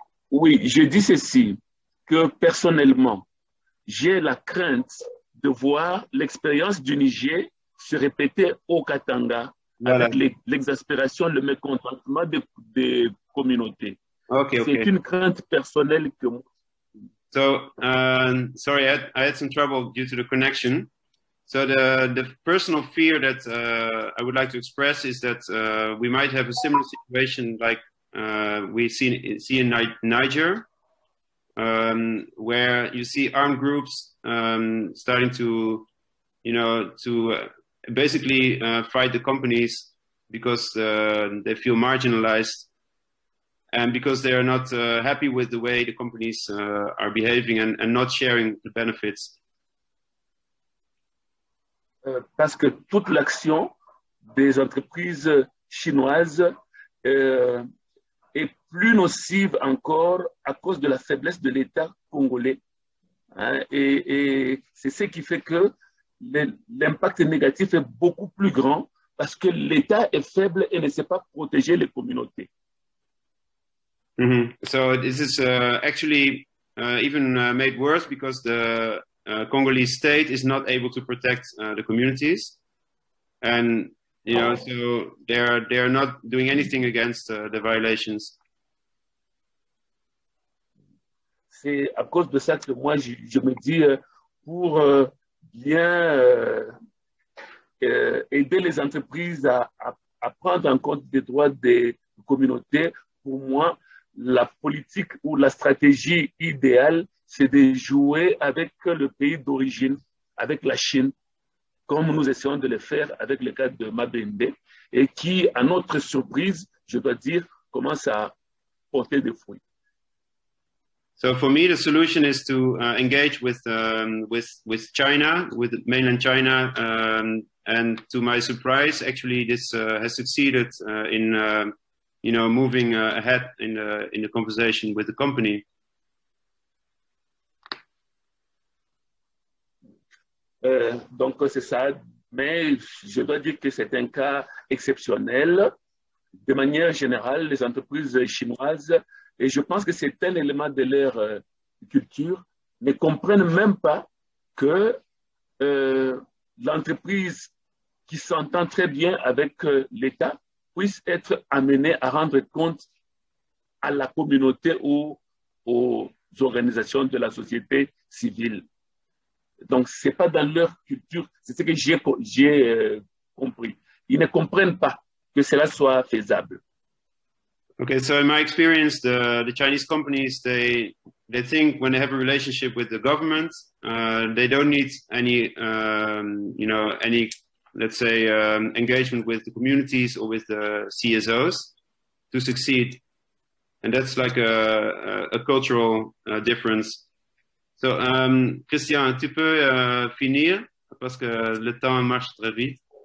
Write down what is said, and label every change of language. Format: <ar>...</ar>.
<fr>Oui, je dis ceci. que personnellement, j'ai la crainte de voir l'expérience du Niger se répéter au Katanga avec l'exaspération, le mécontentement des communautés.</fr> <en>Okay.</en> <fr>Une crainte personnelle que...</fr> <en>So, sorry, I had some trouble due to the connection. So the personal fear that I would like to express is that we might have a similar situation like we see in Niger, where you see armed groups starting to, you know, to basically fight the companies because they feel marginalized and because they are not happy with the way the companies are behaving and not sharing the benefits.</en> <fr>Parce que toute l'action des entreprises chinoises est plus nocive encore à cause de la faiblesse de l'État congolais. Et c'est ce qui fait que l'impact négatif est beaucoup plus grand parce que l'État est faible et ne sait pas protéger les communautés. Mm-hmm.</fr> <en>So this is actually even made worse because the Congolese state is not able to protect the communities, and you know, so they are not doing anything against the violations.</en> <fr>C'est à cause de ça que moi je me dis pour bien aider les entreprises à prendre en compte les droits des communautés. Pour moi, la politique ou la stratégie idéale, c'est de jouer avec le pays d'origine, avec la Chine, comme nous essayons de le faire avec le cas de Mabembe, et qui, à notre surprise, je dois dire, commence à porter des fruits.</fr> <en>So for me, the solution is to engage with China, with mainland China, and to my surprise, actually, this has succeeded in, you know, moving ahead in the conversation with the company.</en> <fr>Donc c'est ça, mais je dois dire que c'est un cas exceptionnel. De manière générale, les entreprises chinoises, et je pense que c'est un élément de leur culture, ne comprennent même pas que l'entreprise qui s'entend très bien avec l'État puisse être amenée à rendre compte à la communauté ou aux organisations de la société civile. Donc, ce n'est pas dans leur culture, c'est ce que j'ai compris. Ils ne comprennent pas que cela soit faisable.</fr> <en>Okay, so in my experience, the Chinese companies, they think when they have a relationship with the government, they don't need any, you know, any, let's say, engagement with the communities or with the CSOs to succeed. And that's like a cultural difference.</en> <fr>So, Christian, tu peux finir parce que le temps marche très vite.</fr>